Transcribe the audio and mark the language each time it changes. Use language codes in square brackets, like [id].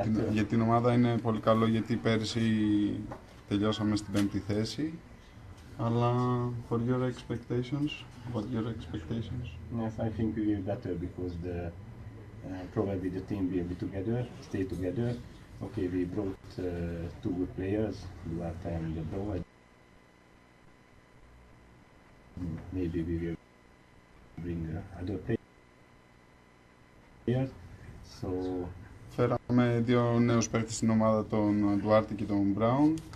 [el] Για την ομάδα είναι πολύ καλό, γιατί πέρσι τελειώσαμε στην πέμπτη θέση. Αλλά [en] for your expectations, what your expectations? Yes, I think we're better because the probably the team will be together, stay together. Okay, we brought two good players, Duarte and the Broad. Maybe we will bring other players. So. [el] Φέραμε δύο νέους παίκτες στην ομάδα, τον Duarte και τον Brown.